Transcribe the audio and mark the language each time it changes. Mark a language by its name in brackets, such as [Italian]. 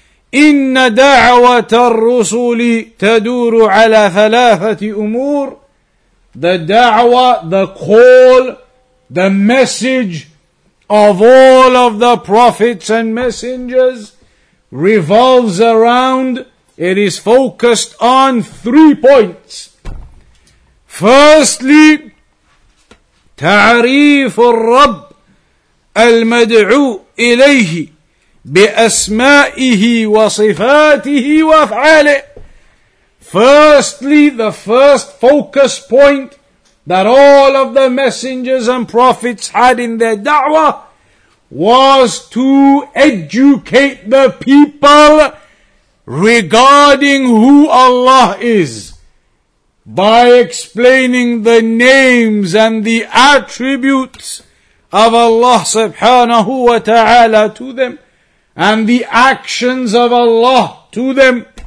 [Arabic] Inna da'wata ar-rusuli taduru ala thalathati umur. [English] The da'wah, the call, the message of all of the prophets and messengers revolves around, it is focused on three points. Firstly, [Arabic] تعريف الرب المدعو إليه بأسمائه وصفاته وأفعاله. [English] Firstly, the first focus point that all of the messengers and prophets had in their da'wah was to educate the people regarding who Allah is, by explaining the names and the attributes of Allah subhanahu wa ta'ala to them, and the actions of Allah to them.